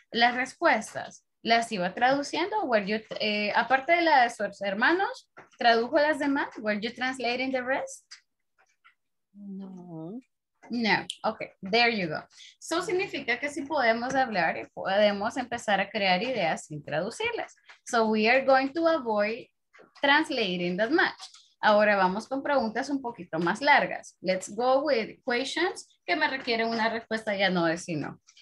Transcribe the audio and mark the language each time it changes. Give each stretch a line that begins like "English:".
Spanish: Las respuestas, ¿las iba traduciendo?
English: Were you,
Spanish: aparte de las de sus hermanos, ¿tradujo las demás?
English: Were you translating the rest? No. Okay, there you go.
Spanish: So significa que si podemos hablar, podemos empezar a crear ideas sin traducirlas.
English: So we are going to avoid translating that much.
Spanish: Ahora vamos con preguntas un poquito más largas.
English: Let's go with questions
Spanish: que me requieren una respuesta ya no de sino.